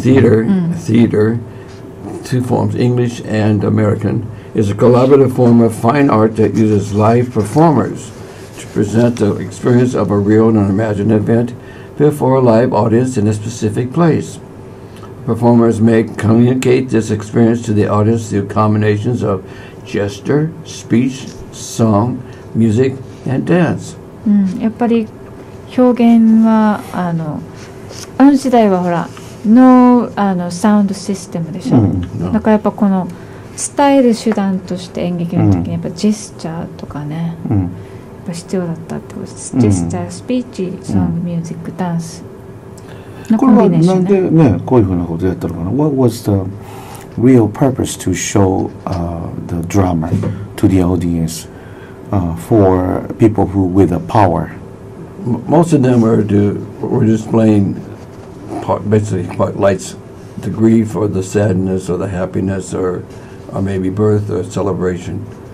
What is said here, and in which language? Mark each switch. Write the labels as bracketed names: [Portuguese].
[English] Theater, theater, two forms, English and American, is a collaborative form of fine art that uses live performers to present the experience of a real and imagined event before a live audience in a specific place. Performers may communicate this experience to the audience through combinations of gesture, speech, song, music, and dance. [Japanese] やっぱり表現はあの時代はほら、ノーあのサウンドシステムでしょ。だからやっぱこの伝える手段として演劇の時にやっぱジェスチャーとかね、やっぱ必要だったってことです。ジェスチャー、スピーチ、ソング、ミュージック、ダンス。これはなんでね、こういうふうなことをやったのかな。 [English] What was the real purpose to show the drama to the audience for people who with the power? Most of them were just playing basically lights, the grief or the sadness or the happiness or maybe birth or celebration.